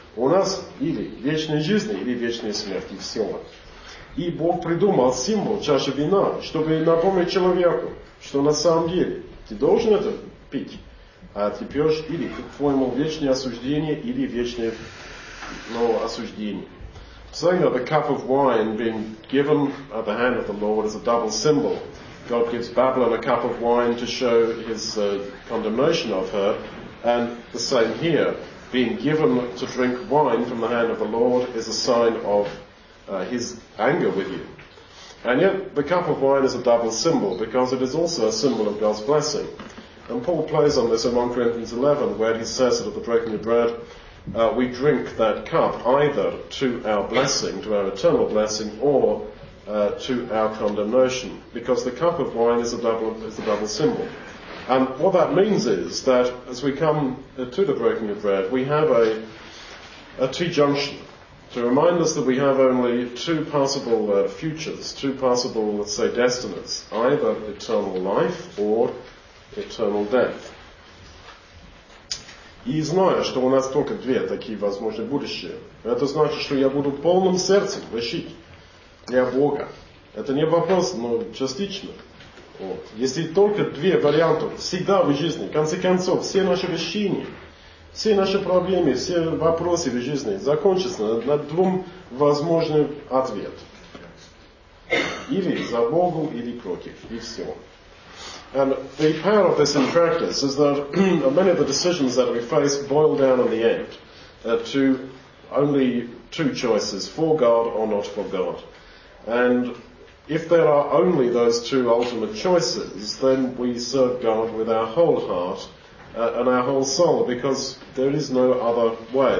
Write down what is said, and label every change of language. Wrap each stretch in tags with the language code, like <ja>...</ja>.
<ru>У нас или вечная жизнь, или вечная смерть, и все. И Бог придумал символ чаши вина, чтобы напомнить человеку, что на самом деле ты должен это пить, а ты пьешь или к твоему вечное осуждение, или вечное осуждение.</ru> <en>Saying that the cup of wine being given at the hand of the Lord is a double symbol. God gives Babylon a cup of wine to show his condemnation of her, and the same here, being given to drink wine from the hand of the Lord is a sign of his anger with you. And yet, the cup of wine is a double symbol, because it is also a symbol of God's blessing. And Paul plays on this in 1 Corinthians 11, where he says that at the breaking of bread, we drink that cup either to our blessing, to our eternal blessing, or to our condemnation, because the cup of wine is a double symbol. And what that means is that as we come to the breaking of bread, we have a T-junction to remind us that we have only two possible futures, two possible, let's say, destinies, either eternal life or eternal death.</en> <ru>И знаю, что у нас только две такие возможные будущие. Это значит, что я буду полным сердцем вещить для Бога. Это не вопрос, но частично. Если только две варианта, всегда в жизни, в конце концов, все наши вещения, все наши проблемы, все вопросы в жизни закончатся на двум возможным ответом. Или за Богу, или против, и все.</ru> <en>And the power of this in practice is that many of the decisions that we face boil down in the end to only two choices, for God or not for God. And if there are only those two ultimate choices, then we serve God with our whole heart and our whole soul, because there is no other way.</en>